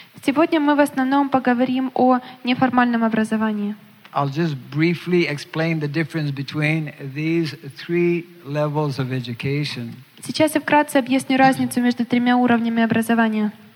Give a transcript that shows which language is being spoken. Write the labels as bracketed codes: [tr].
[ru] Сегодня мы в основном поговорим о неформальном образовании. [en] I'll just briefly explain the difference between these three levels of education. [ru] Сейчас я вкратце объясню разницу между тремя уровнями образования.